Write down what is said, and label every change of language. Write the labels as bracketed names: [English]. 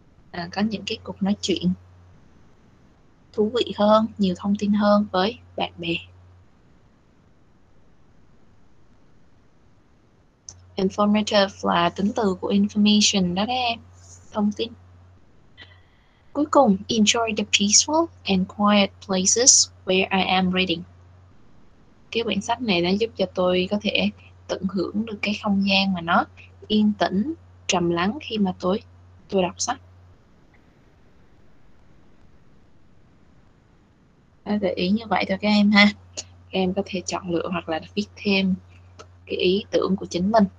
[Vietnamese] À, có những cái cuộc nói chuyện thú vị hơn, nhiều thông tin hơn với bạn bè. Informative là tính từ của information đó đấy em. Thông tin. Cuối cùng, [English] enjoy the peaceful and quiet places where I am reading. [Vietnamese] Cái quyển sách này đã giúp cho tôi có thể tận hưởng được cái không gian mà nó yên tĩnh, trầm lắng khi mà tôi đọc sách. Gợi ý như vậy thôi các em ha. Các em có thể chọn lựa hoặc là viết thêm cái ý tưởng của chính mình.